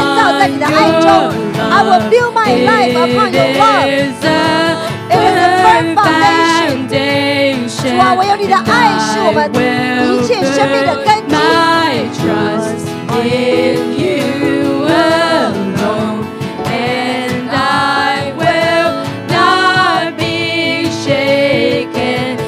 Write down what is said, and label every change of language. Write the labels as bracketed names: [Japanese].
[English] I will build my life upon your love. It is a firm foundation. [Chinese] 主啊，唯有你的爱是我们一切生命的根基。 [English] My trust in you alone, and I will not be shaken.